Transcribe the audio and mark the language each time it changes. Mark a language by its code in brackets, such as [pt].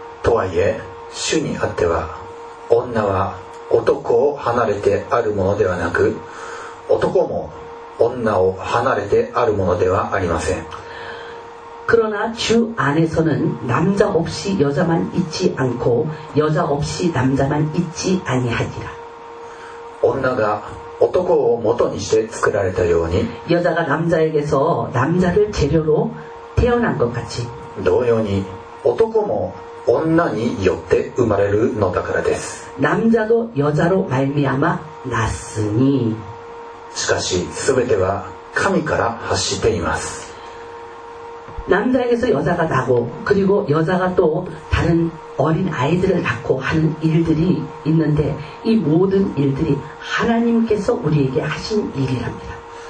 [ja] とはいえ主にあっては女は男を離れてあるものではなく男も女を離れてあるものではありません。 [ko] 그러나주안에서는남자없이여자만있지않고여자없이남자만있지아니하니라。 [ja] 女が男を元にして作られたように [ko] 여자가남자에게서남자를재료로태어난것같이 [ja] 同様に男も女によって生まれるのだからです。 [ko] 남자도여자로말미암아났으니 [ja] しかし全ては神から発しています。 [ko] 남자에게서여자가나고그리고여자가또다른어린아이들을낳고하는일들이있는데이모든일들이하나님께서우리에게하신일이랍니다。